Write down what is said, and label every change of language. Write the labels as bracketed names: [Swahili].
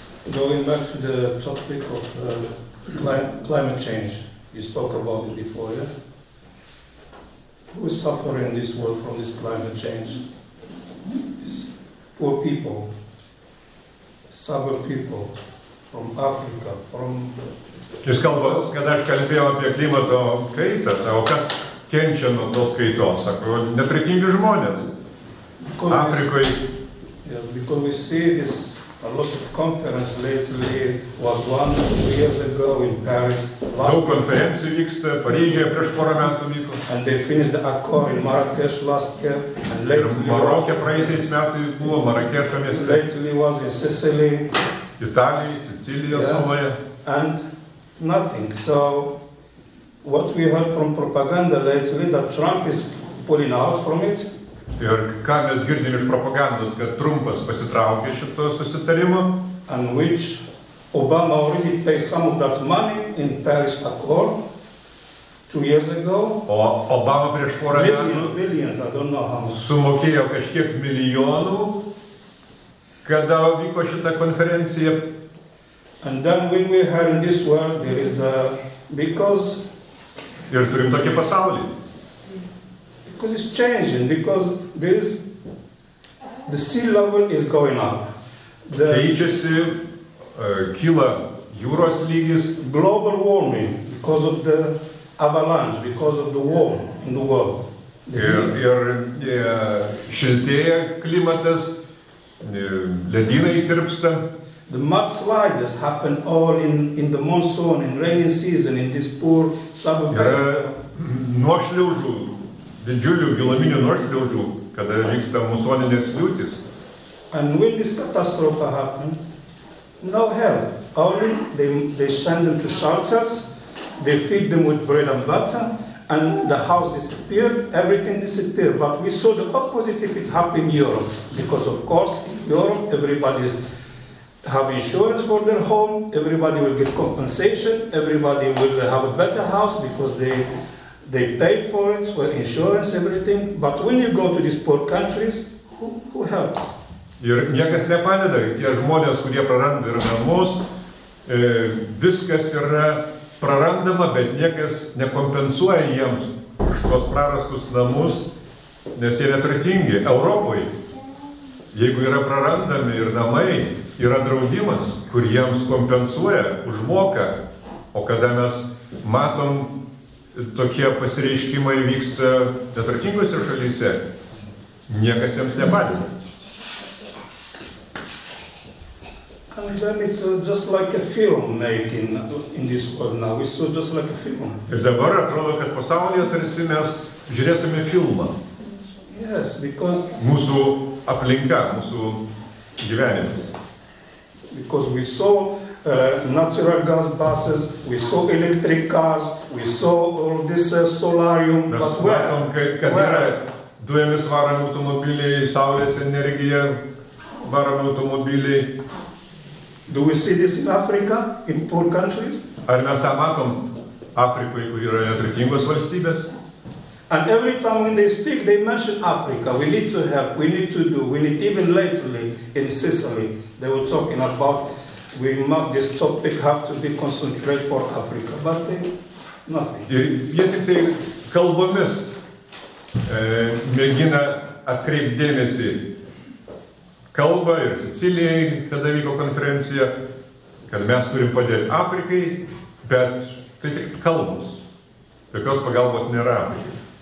[English] Going back to the topic of climate change, you spoke about it before, yeah? Who is suffering in this world from this climate change? It's poor people, suburb people from Africa, from... [Lithuanian] Jūs kalbos, kad aš kalbėjau apie klimato kaitą, o kas kenčia nuo tos kaitos? Sako, neturtingi žmonės. [English] Because [Lithuanian] Afrikoje... [English] Because we see this a lot of conference lately was one 2 years ago in Paris. [Lithuanian] Daug konferencijų vyksta Paryžiuje prieš porą metų vyko. [English] And they finished the accord in Marrakesh last year. And lately [Lithuanian] ir Maroke praėjusiais metais buvo Marrakešo mieste. [English] Lately was in Sicily. [Lithuanian] Italijoje, Sicilijos saloje. [English] Yeah. And nothing. So what we heard from propaganda lately that Trump is pulling out from it. [Lithuanian] Ir ką mes girdim iš propagandos, kad Trumpas pasitraukė šito susitarimo. [English] And which Obama already paid some of that money in Paris Accord 2 years ago. [Lithuanian] O Obama prieš porą metų [English] billions, I don't know how much. [Lithuanian] Sumokėjo kažkiek milijonų, kada vyko šita konferencija. [English] And then when we have in this world, there is a... because... [Lithuanian] Ir turim tokį pasaulį. [English] Because it's changing, because there is, the sea level is going up. [Lithuanian] Keičiasi, kyla jūros lygis. [English] Global warming, because of the avalanche, because of the warm in the world. The [Lithuanian] ir šiltėja klimatas, ledynai tirpsta. [English] The mudslides happen all in the monsoon, in rainy season, in this poor suburb. [Lithuanian] Yra nuošliaužų. Didžiulių giluminių nuošliaužų, kada vyksta musoninės liūtis. [English] And when this catastrophe happened, no help. Only they send them to shelters, they feed them with bread and butter, and the house disappeared, everything disappeared. But we saw the opposite if it happened in Europe, because of course in Europe everybody have insurance for their home, everybody will get compensation, everybody will have a better house because they paid for it, for insurance, everything. But when you go to these poor countries, who help? [Lithuanian] Ir niekas nepadeda, tie žmonės, kurie praranda ir namus, viskas yra prarandama, bet niekas nekompensuoja jiems už tuos prarastus namus, nes jie neturtingi. Europoje, jeigu yra prarandami ir namai, yra draudimas, kur jiems kompensuoja, užmoka. O kada mes matom, tokie pasireiškimai vyksta neturtingose šalyse, niekas jiems nepadeda. [English] And then it's just like a film making in this world now. We saw just like a film. [Lithuanian] Ir dabar atrodo, kad pasaulyje tarsi mes žiūrėtume filmą. [English] Yes, because... [Lithuanian] Mūsų aplinka, mūsų gyvenimas. [English] Because we saw natural gas buses, we saw electric cars, we saw all this solarium, [Lithuanian] mes [English] but where? [Lithuanian] Matom, kad yra dujomis varomi automobiliai, saulės energija varomi automobiliai. [English] Do we see this in Africa, in poor countries? [Lithuanian] Ar mes tą matom Afrikoje, kur yra neturtingos valstybės? [English] And every time when they speak, they mention Africa. We need to help, we need to do, we need even lately in Sicily, they were talking about we must this topic have to be concentrated for Africa, but they, nothing. [Lithuanian] Jie tik tai kalbomis mėgina atkreipti dėmesį. Kalba ir Sicilijai, kada vyko konferencija, kad mes turim padėti Afrikai, bet tai tik kalbos. Jokios pagalbos nėra Afrikai.